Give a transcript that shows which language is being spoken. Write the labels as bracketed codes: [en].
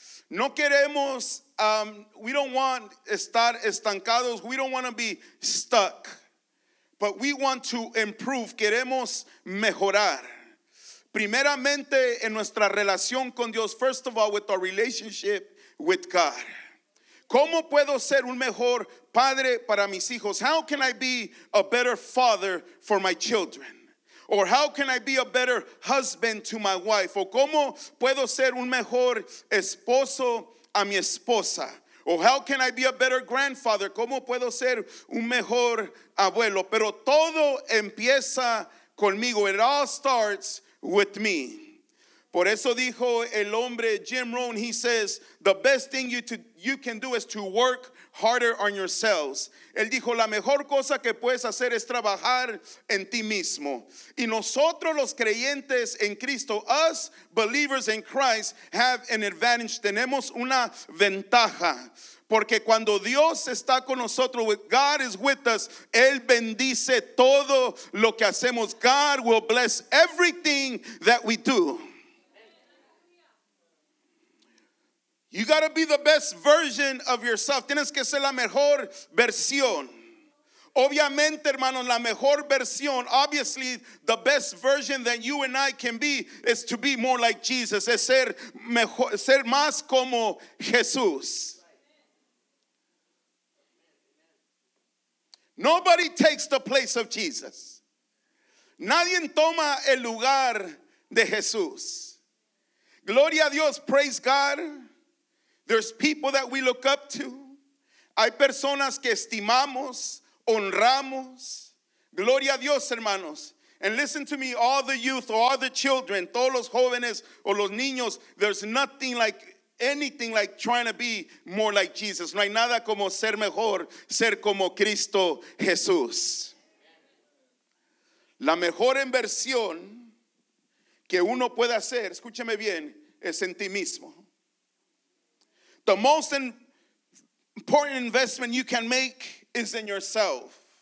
[es] No queremos, [en] we don't want [es] estar estancados, [en] we don't want to be stuck, but we want to improve, [es] queremos mejorar. Primeramente en nuestra relación con Dios, [en] first of all, with our relationship with God. [es] ¿Cómo puedo ser un mejor padre para mis hijos? [en] How can I be a better father for my children? Or how can I be a better husband to my wife? [es] ¿O cómo puedo ser un mejor esposo a mi esposa? [en] Or how can I be a better grandfather? [es] ¿Cómo puedo ser un mejor abuelo? Pero todo empieza conmigo. [en] It all starts with me. [es] Por eso dijo el hombre Jim Rohn, [en] he says, the best thing you can do is to work harder on yourselves. [es] Él dijo, la mejor cosa que puedes hacer es trabajar en ti mismo. Y nosotros los creyentes en Cristo, [en] us believers in Christ, have an advantage, [es] tenemos una ventaja. Porque cuando Dios está con nosotros, [en] God is with us, [es] Él bendice todo lo que hacemos. [en] God will bless everything that we do. You got to be the best version of yourself. [es] Tienes que ser la mejor versión. Obviamente, hermanos, la mejor versión, [en] obviously, the best version that you and I can be is to be more like Jesus, [es] es ser mejor, ser más como Jesús. [en] Nobody takes the place of Jesus. [es] Nadie toma el lugar de Jesús. Gloria a Dios, [en] praise God. There's people that we look up to. [es] Hay personas que estimamos, honramos. Gloria a Dios, hermanos. [en] And listen to me, all the youth or all the children, [es] todos los jóvenes o los niños, [en] there's nothing like anything like trying to be more like Jesus. [es] No hay nada como ser mejor, ser como Cristo Jesús. La mejor inversión que uno puede hacer, escúcheme bien, es en ti mismo. [en] The most important investment you can make is in yourself.